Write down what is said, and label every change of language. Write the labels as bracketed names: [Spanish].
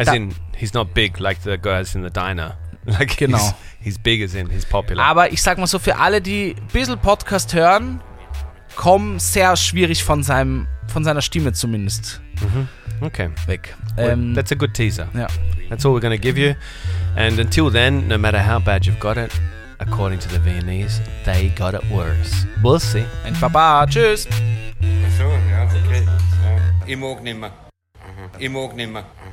[English] As in, he's not big like the girls in the diner. Like [German] genau. [English] He's big as in, he's popular. [German] Aber ich sag mal so, für alle, die ein bisschen Podcast hören, kommen sehr schwierig von seiner Stimme zumindest [English] weg. Well, that's a good teaser. That's all we're going to give you. And until then, no matter how bad you've got it, according to the Viennese, they got it worse. We'll see. [German] And Baba, tschüss. [English] So, yeah, okay. [German] Ich mag nicht mehr. Ich mag nicht mehr.